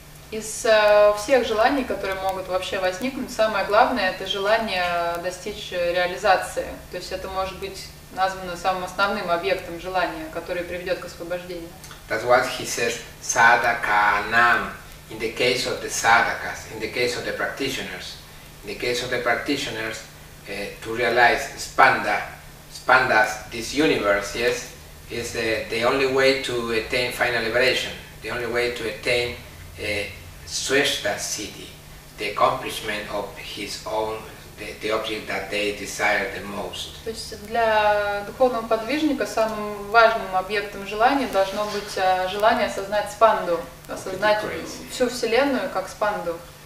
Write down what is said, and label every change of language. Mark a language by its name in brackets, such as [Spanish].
[Russian] Из всех желаний, которые могут вообще возникнуть, самое главное – это желание достичь реализации. То есть это может быть названо самым основным объектом желания, который приведет к освобождению. [English] That's what he says, sadhakanam, in the case of the sadhakas, in the case of the practitioners. In the case of the practitioners, to realize spandas, this universe, yes, is the only way to attain final liberation, the only way to attain Swishta city, the accomplishment of his own, the object that they desire the most. [Russian] То есть для духовного подвижника самым важным объектом желания должно быть желание осознать спанду, осознать всю вселенную как спанду.